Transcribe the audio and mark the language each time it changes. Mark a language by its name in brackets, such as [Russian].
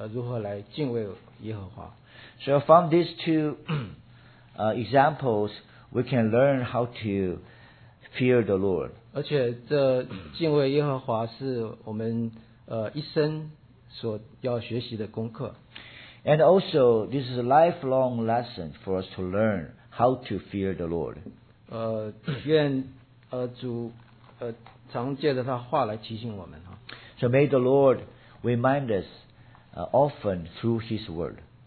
[Chinese] 所以，借着这两件事情呢，我们可以来学习着，如何来敬畏耶和华。 [English] So from these two examples, we can learn how to fear the Lord. [Chinese] 而且这敬畏耶和华是我们一生所要学习的功课。And [English] also, this is a lifelong lesson for us to learn how to fear the Lord. [Chinese] 愿主常借着他话来提醒我们。So [English] may the Lord remind us often through His word.